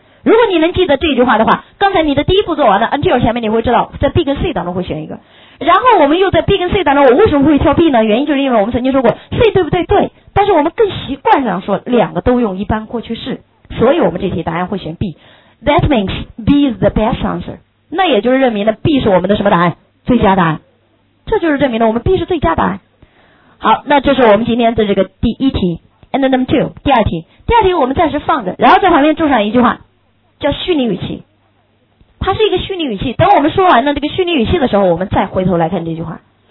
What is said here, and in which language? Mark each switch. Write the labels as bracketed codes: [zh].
[zh] 如果你能记得这句话的话，刚才你的第一步做完了 until 前面你会知道在 B 跟 C 当中会选一个，然后我们又在 B 跟 C 当中，我为什么会挑 B 呢？原因就是因为我们曾经说过 C 对不对？对。但是我们更习惯上说两个都用一般过去式，所以我们这题答案会选 B。 [en] That means B is the best answer， [zh] 那也就是认明了 B 是我们的什么答案？最佳答案。这就是证明了我们 B 是最佳答案。好，那这是我们今天的这个第一题 [en] and number two， [zh] 第二题，第二题我们暂时放着，然后在旁边注上一句话叫虚拟语气，它是一个虚拟语气，等我们说完了这个虚拟语气的时候，我们再回头来看这句话。